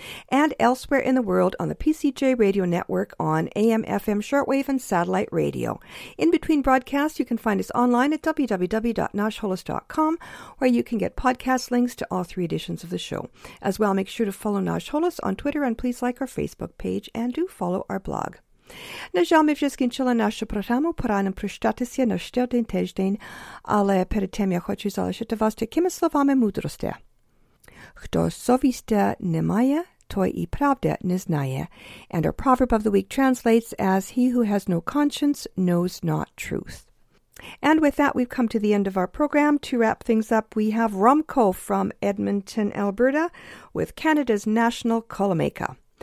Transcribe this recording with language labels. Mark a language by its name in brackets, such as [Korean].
[English] And elsewhere in the world on the PCJ Radio Network on AM, FM, shortwave, and satellite radio. In between broadcasts, you can find us online at www.nashholos.com, where you can get podcast links to all three editions of the show. As well, make sure to follow Nash Holos on Twitter and please like our Facebook page and do follow our blog. [Ukrainian] Нажалми вже скінчила нашу програму. Пора нам прощатися на ще один тиждень. Але перед тим я хочу залишити вас такими словами мудрості. Хто совісті не має, toi i pravde neznaje, [English] and our proverb of the week translates as he who has no conscience knows not truth. And with that, we've come to the end of our program. To wrap things up, we have Romko from Edmonton, Alberta, with Canada's National Kolomeka.